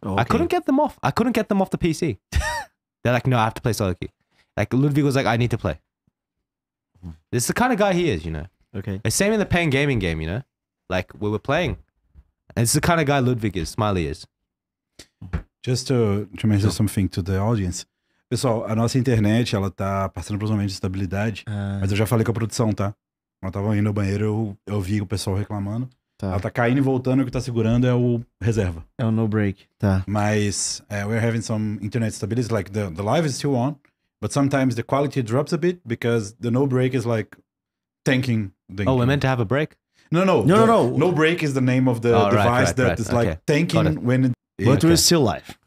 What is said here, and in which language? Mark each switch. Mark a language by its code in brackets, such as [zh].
[en] Okay. I couldn't get them off. I couldn't get them off the PC. They're like, no, I have to play solo queue. Like Ludwig was like, I need to play. This is the kind of guy he is, you know. Okay. Same in the Pain Gaming game, you know. Like, we were playing. And it's the kind of guy Ludwig is, Smiley is. Just to mention something to the audience. [pt] Pessoal, a nossa internet, ela tá passando por um momento de estabilidade. Mas eu já falei com a produção, tá? Ela tava indo ao banheiro, eu vi o pessoal reclamando. Tá. Ela tá caindo e voltando, o que tá segurando é o reserva. É o no break, tá. Mas [en] we're having some internet stability, like the live is still on. But sometimes the quality drops a bit because the no break is like tanking. Oh, we're meant to have a break? No. No break is the name of the device, tanking when it... Yeah. But we're still live.